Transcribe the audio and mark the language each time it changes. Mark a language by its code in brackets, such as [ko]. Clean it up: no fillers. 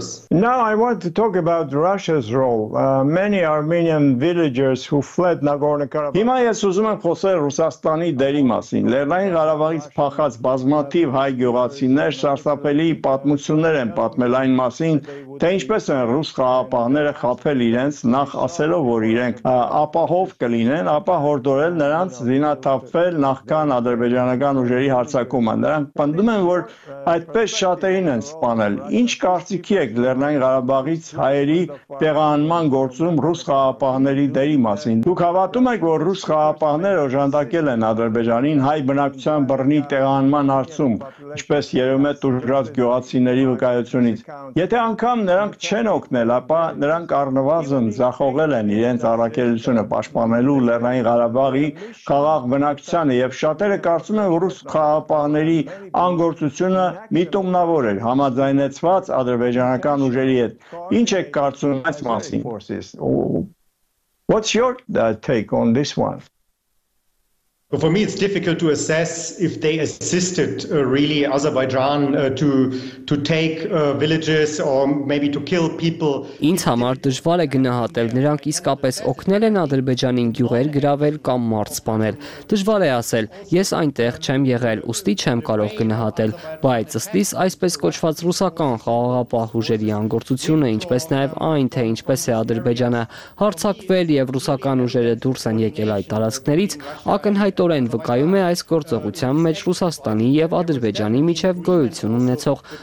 [en] Now I want to talk about Russia's role. Many Armenian villagers who fled Nagorno-Karabakh. [hy] Հիմա ես ուզում եմ խոսել Ռուսաստանի դերի մասին։ Լեռնային Ղարաբաղից փախած բազմաթիվ հայ գյուղացիներ սարսափելի պատմություններ են պատմել այն մասին, թե ինչպես են ռուս խաղապահները խաբել իրենց, նախ ասելով, որ իրենք ապահով կլինեն, ապա հորդորել նրանց զինաթափվել նախքան ադրբեջանական ուժերի հարձակումը։ Նրանք պնդում են, որ այդպես շատերին են սպանել։ Ինչ կարծիքի եք Լեռնային Ղարաբաղից հայերի տեղահանման գործում ռուս խաղապահների դերի մասին։ Դուք հավատո՞ւմ եք, որ ռուս խաղապահները օժանդակել են Ադրբեջանին հայ բնակության բռնի տեղանման արցում, ինչպես երևում է ուժած գյուղացիների վկայությունից։ Եթե անգամ նրանք չեն օգնել, ապա նրանք առնվազն զախողել են իրենց առաքելությունը պաշտպանելու Լեռնային Ղարաբաղի քաղաք բնակչությանը, եւ շատերը կարծում են, որ ռուս խաղապահների անգործությունը միտումնավոր էր համաձայնեցված ադրբեջանական ուժերի հետ։ Ինչ եք կարծում այս մասին? [en] What's your take on this one? For me, it's difficult to assess if they assisted really Azerbaijan to take villages or maybe to kill people. [hy] Ինձ համար դժվար է գնահատել նրանք իսկապես օգնել են Ադրբեջանին գյուղեր գրավել կամ մարդ սպանել։ Դժվար է ասել, ես այնտեղ չեմ եղել, ուստի չեմ կարող գնահատել, բայց ըստ իս այսպես կոչված ռուսական խաղաղապահ ուժերի անգործությունը, ինչպես նաև այն, թե ինչպես է Ադրբեջանը հարձակվել եւ ռուսական ուժերը դուրս են եկել այդ տարածքներից, ակն հայտորեն վկայում է այս գործողության մեջ Ռուսաստանի եւ Ադրբեջանի միջև գոյություն ունեցող